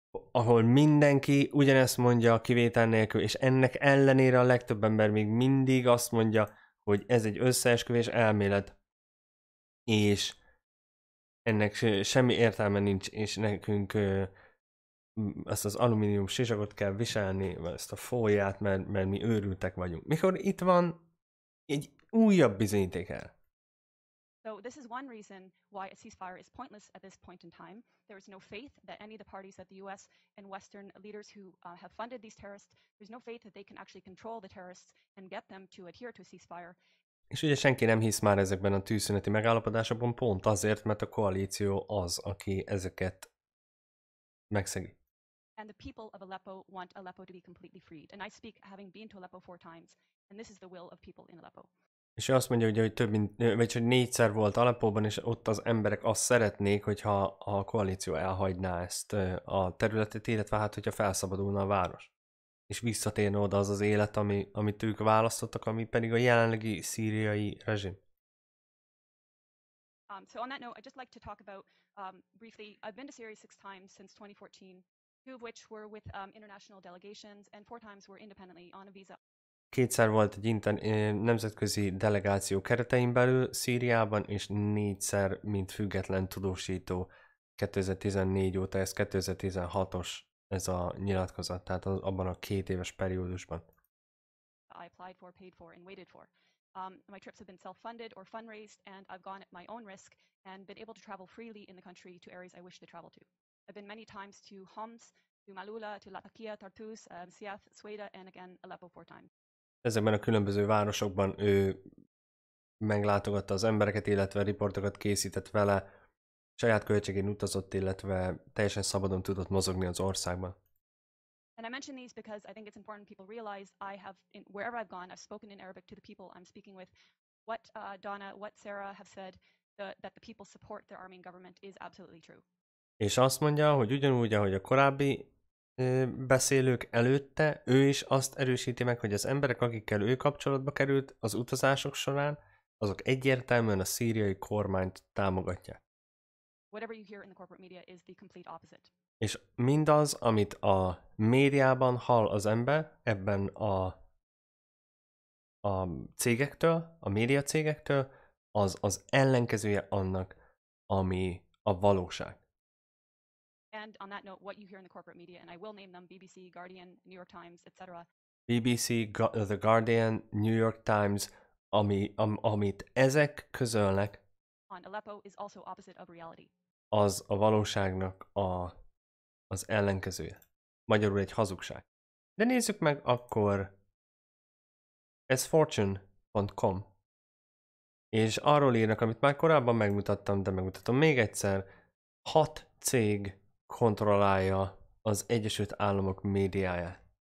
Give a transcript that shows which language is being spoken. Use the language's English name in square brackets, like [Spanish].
[Hungarian] ahol mindenki ugyanezt mondja a kivétel nélkül, és ennek ellenére a legtöbb ember még mindig azt mondja, hogy ez egy összeesküvés elmélet, és ennek semmi értelme nincs, és nekünk ezt az alumínium sisakot kell viselni, ezt a fóliát, mert mi őrültek vagyunk. Mikor itt van egy újabb bizonyíték el. [English] So this is one reason why a ceasefire is pointless at this point in time. There is no faith that any of the parties, that the US and Western leaders who have funded these terrorists, there's no faith that they can actually control the terrorists and get them to adhere to a ceasefire. [Hungarian] És ugye senki nem hisz már ezekben a tűzszüneti megállapodásokban, pont azért, mert a koalíció az, aki ezeket megszegi. [English] And the people of Aleppo want Aleppo to be completely freed. And I speak having been to Aleppo 4 times, and this is the will of people in Aleppo. [Hungarian] És ő azt mondja, ugye, hogy több mint, vagy hogy négyszer volt Aleppóban, és ott az emberek azt szeretnék, hogyha a koalíció elhagyná ezt a területet, illetve hát, hogyha felszabadulna a város. És visszatérne oda az az élet, amit ők választottak, ami pedig a jelenlegi szíriai rezsim. [English] So on that note, I'd just like to talk about, briefly, I've been to Syria 6 times since 2014, 2 of which were with international delegations, and 4 times were independently on a visa. [Hungarian] Kétszer volt egy nemzetközi delegáció keretein belül Szíriában, és négyszer, mint független tudósító 2014 óta, ez 2016-os ez a nyilatkozat, tehát abban a 2 éves periódusban. [English] I applied for, paid for, and waited for. My trips have been self-funded or fundraised, and I've gone at my own risk and been able to travel freely in the country to areas I wish to travel to. I've been many times to Homs, Dumalula, to Latakia, Tartus, Siath, Sueda, and again Aleppo four times. [Hungarian] Ezekben a különböző városokban ő meglátogatta az embereket, illetve riportokat készített vele, saját költségén utazott, illetve teljesen szabadon tudott mozogni az országban. [English] And I mention these because I think it's important people realize I have, in, wherever I've gone, I've spoken in Arabic to the people I'm speaking with. What Donna, what Sarah have said, that the people support their army and government is absolutely true. [Hungarian] És azt mondja, hogy ugyanúgy, ahogy a korábbi beszélők előtte, ő is azt erősíti meg, hogy az emberek, akikkel ő kapcsolatba került az utazások során, azok egyértelműen a szíriai kormányt támogatják. [English] Whatever you hear in the corporate media is the complete opposite. [Hungarian] És mindaz, amit a médiában hall az ember ebben a cégektől, a média cégektől, az ellenkezője annak, ami a valóság. [English] And on that note, what you hear in the corporate media, and I will name them BBC, Guardian, New York Times, etc. [Hungarian] BBC, The Guardian, New York Times, amit ezek közölnek, [English] on Aleppo is also opposite of reality. [Hungarian] Az a valóságnak az ellenkezője. Magyarul egy hazugság. De nézzük meg akkor sfortune.com. És arról írnak, amit már korábban megmutattam, de megmutatom még egyszer, 6 cég kontrollálja az Egyesült Államok médiáját.